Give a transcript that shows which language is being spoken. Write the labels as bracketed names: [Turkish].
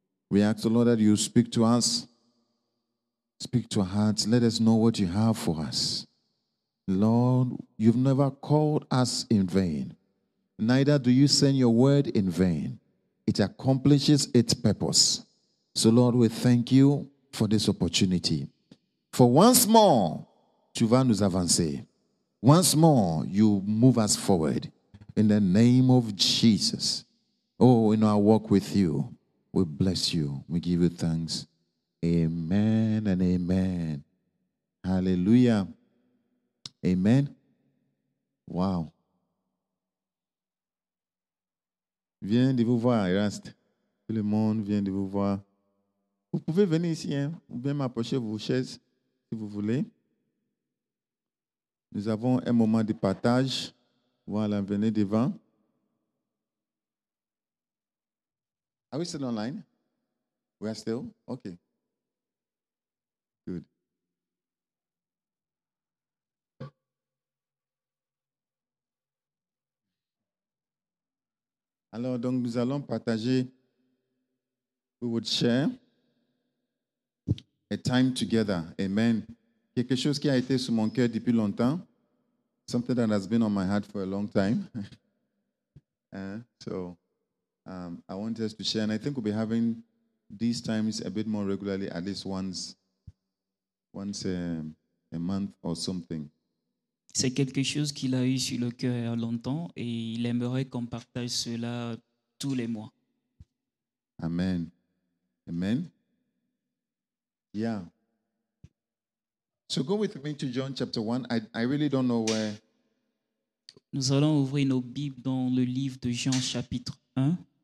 [English] We ask the Lord that you speak to us. Speak to our hearts. Let us know what you have for us. Lord, you've never called us in vain. Neither do you send your word in vain. It accomplishes its purpose. So, Lord, we thank you for this opportunity. For once more, [French] tu vas nous avancer. [English] Once more, you move us forward in the name of Jesus. Oh, in our walk with you, we bless you. We give you thanks. Amen and amen. Hallelujah. Amen. Wow. [French] Viens de vous voir, Erast. Tout le monde vient de vous voir. Vous pouvez venir ici, hein, ou bien m'approcher vos chaises si vous voulez. Nous avons un moment de partage. Voilà, venez devant. [English] Are we still online? We are still? Okay. Good. [French] Alors, donc, nous allons partager. [English] We would share a time together. Amen. [French] Quelque chose qui a été sur mon cœur depuis longtemps. [English] Something that has been on my heart for a long time. So I want us to share. And I think we'll be having these times a bit more regularly, at least once a month or something. [French] C'est quelque chose qu'il a eu sur le cœur longtemps et il aimerait qu'on partage cela tous les mois. [English] Amen. Amen. Yeah. So go with me to John chapter 1. I really don't know where. [French] Nous allons ouvrir nos Bibles dans le livre de Jean chapitre 1.